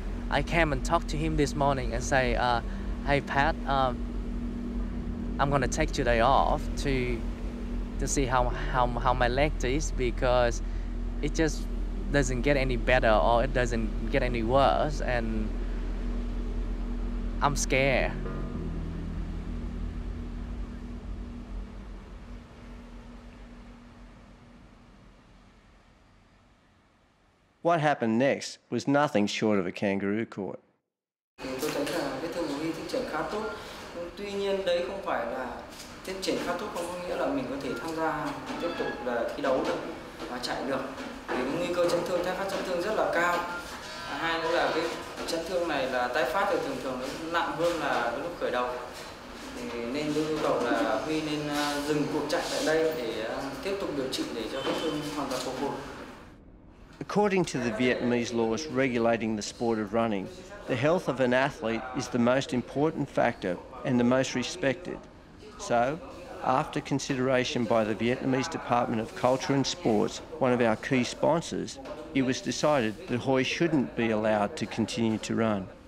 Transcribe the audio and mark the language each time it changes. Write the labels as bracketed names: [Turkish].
[English] I came and talked to him this morning and say, hey Pat, I'm gonna take today off to see how my leg is, because it just doesn't get any better or it doesn't get any worse and I'm scared. What happened next was nothing short of a kangaroo court. [Vietnamese] Tôi thấy là vết thương của Huy tiến triển khá tốt. Tuy nhiên đấy không phải là tiến triển khá tốt không có nghĩa là mình có thể tham gia tiếp tục là thi đấu được và chạy được. Vì nguy cơ chấn thương tái phát chấn thương rất là cao. Hai nữa là cái chấn thương này là tái phát thì thường thường nó nặng hơn là lúc khởi đầu. Thì nên yêu cầu là Huy nên dừng cuộc chạy tại đây để tiếp tục điều trị để cho vết thương hoàn toàn phục hồi. [English] According to the Vietnamese laws regulating the sport of running, the health of an athlete is the most important factor and the most respected. So, after consideration by the Vietnamese Department of Culture and Sports, one of our key sponsors, it was decided that Hoi shouldn't be allowed to continue to run.